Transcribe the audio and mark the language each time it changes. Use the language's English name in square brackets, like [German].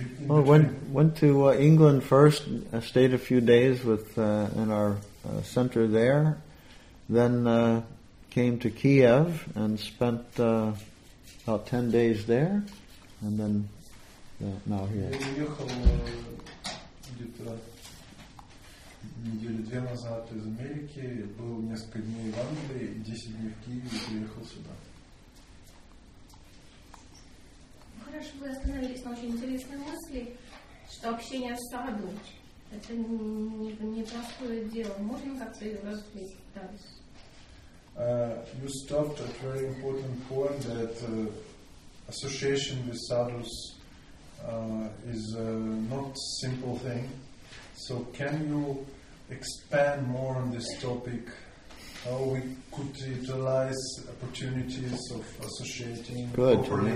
[English] Well, went to England first, stayed a few days with in our center there, then came to Kiev and spent about 10 days there, and then now here. [Russian] Я уехал где-то недели две назад из Америки, был несколько дней в Англии, 10 дней в Киеве, и приехал сюда. Хорошо, вы остановились на очень интересной мысли, что общение с саду – это непростое дело. Можно как-то развить дальше? [English] You stopped at a very important point that association with sadhus is not a simple thing. So can you expand more on this topic? how we could utilize opportunities of associating properly.